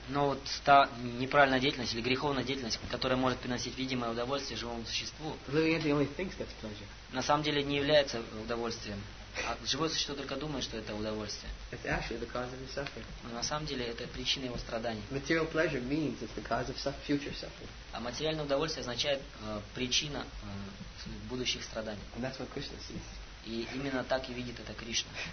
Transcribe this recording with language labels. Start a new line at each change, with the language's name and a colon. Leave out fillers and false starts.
Russian: Но вот та неправильная деятельность или греховная деятельность, которая может приносить видимое удовольствие живому существу,
English: living entity only thinks that's pleasure.
Russian: На самом деле не является удовольствием. А живое существо только думает, что это удовольствие.
English: It's actually the cause of the suffering.
Russian: Но на самом деле это причина его страданий.
English: Material pleasure means it's the cause of future suffering.
Russian: А материальное удовольствие означает причина будущих страданий.
English: And that's what Krishna sees.
Russian: И именно так и видит это Кришна.